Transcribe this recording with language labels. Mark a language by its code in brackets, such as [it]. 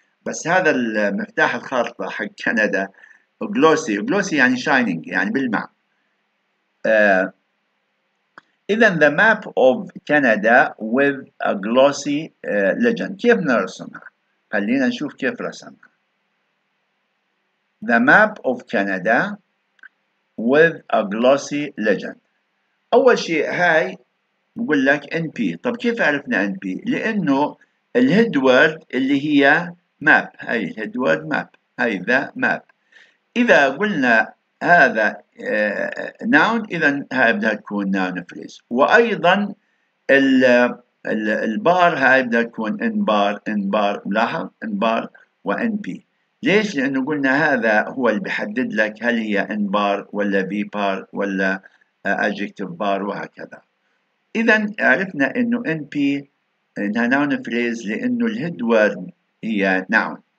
[ar] بس هذا المفتاح الخارطه حق كندا glossy، glossy يعني shining يعني بالمع. [en] إذن the map of Canada with a glossy legend. [ar] كيف نرسمها؟ خلينا نشوف كيف رسمها. [en] The map of Canada with a glossy legend. [ar] أول شيء هاي بقول لك NP. طب كيف عرفنا NP؟ لأنه الهيد وورد اللي هي map. هاي الهيد وورد map. هاي [en] the map. [ar] إذا قلنا هذا noun اذا هاي بدها تكون noun phrase وايضا البار هاي بدها تكون ان بار ملاحظ ان بار وان بي ليش؟ لانه قلنا هذا هو اللي بيحدد لك هل هي ان بار ولا بي بار ولا adjective بار وهكذا اذا عرفنا انه ان بي انها noun phrase لانه الهيد وورد هي noun